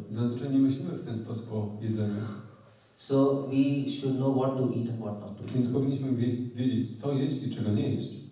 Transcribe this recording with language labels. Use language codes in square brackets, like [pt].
[pl] Zazwyczaj nie myślimy w ten sposób o jedzeniu. [en] So we should know what to eat and what not to eat. [pl] Więc powinniśmy wiedzieć, co jeść i czego nie jeść.